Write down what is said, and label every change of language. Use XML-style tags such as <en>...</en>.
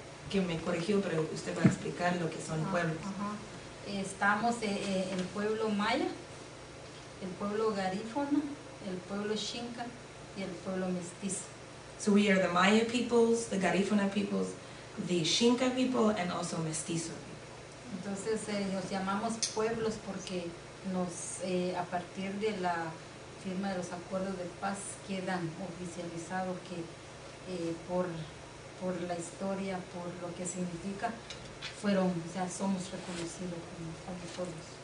<es>Que me corrigió, pero usted va a explicar lo que son pueblos. Estamos el pueblo maya, el pueblo garífuna, el pueblo xinca y el pueblo mestizo.</es> <en>So we are the Maya peoples, the garífuna peoples, the xinca people, and also mestizo.</en> <es>Entonces nos llamamos pueblos porque nos a partir de la firma de los acuerdos de paz quedan oficializados que por la historia, por lo que significa, fueron, o sea, somos reconocidos como pueblos.</es>